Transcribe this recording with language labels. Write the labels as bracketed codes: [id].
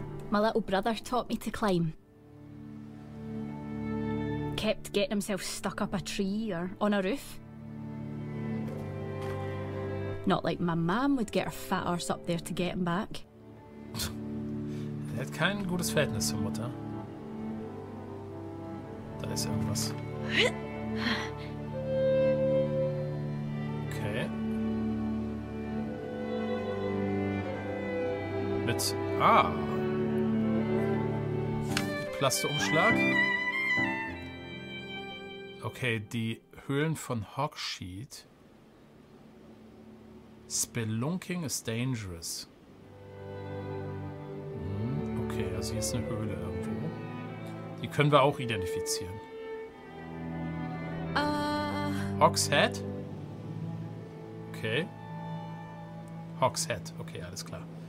[en] My little brother taught me to climb. Kept getting himself stuck up a tree or on a roof. Not like my mum would get her fat arse up there to get him back. [de] Er hat kein gutes Verhältnis zur Mutter. Da ist irgendwas. Okay. Mit A. Plasteumschlag. Okay, die Höhlen von Hogsheed. [en] Spelunking is dangerous. [de] Okay, also hier ist eine Höhle irgendwo. Die können wir auch identifizieren. Hogshead? Okay. Hogshead. Okay, alles klar.